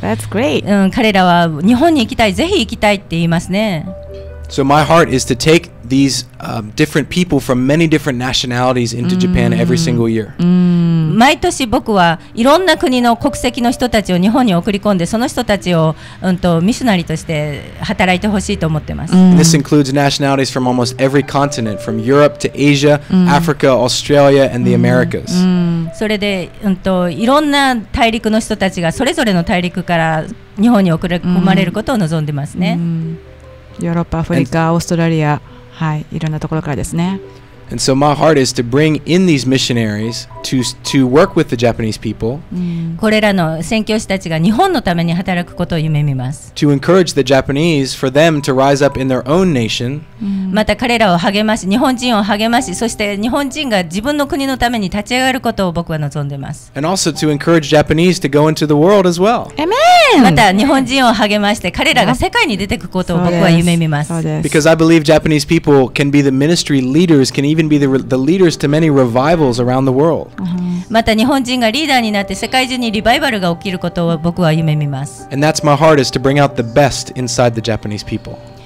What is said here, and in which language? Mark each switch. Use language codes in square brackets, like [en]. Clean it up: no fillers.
[en] Wow, that's great. [ja] 彼らは日本に行きたい、ぜひ行きたいって言いますね。 [en] So my heart is to take these different people from many different nationalities into Japan every single year. [ja] 毎年僕はいろんな国の国籍の人たちを日本に送り込んでその人たちを、ミシュナリとして働いてほしいと思ってます。 [en] This includes nationalities from almost every continent, from Europe to Asia, Africa, Australia, and the Americas. [ja] それで、いろんな大陸の人たちがそれぞれの大陸から日本に送り込まれることを望んでますね。ヨーロッパ、アフリカ、オーストラリア、はい、いろんなところからですね。 [en] And so my heart is to bring in these missionaries to work with the Japanese people. [ja] これらの宣教師たちが日本のために働くことを夢見ます。 [en] To encourage the Japanese for them to rise up in their own nation. [ja] また彼らを励まし、日本人を励まし、そして日本人が自分の国のために立ち上がることを僕は望んでます。 [en] And also to encourage Japanese to go into the world as well. Amen! [ja] また日本人を励まして彼らが世界に出てくることを僕は夢見ます。 [en] Because I believe Japanese people can be the ministry leaders, can even be the leaders to many revivals around the world. [ja] また日本人がリーダーになって世界中にリバイバルが起きることを僕は夢見ます。 [en] And that's my heart is to bring out the best inside the Japanese people.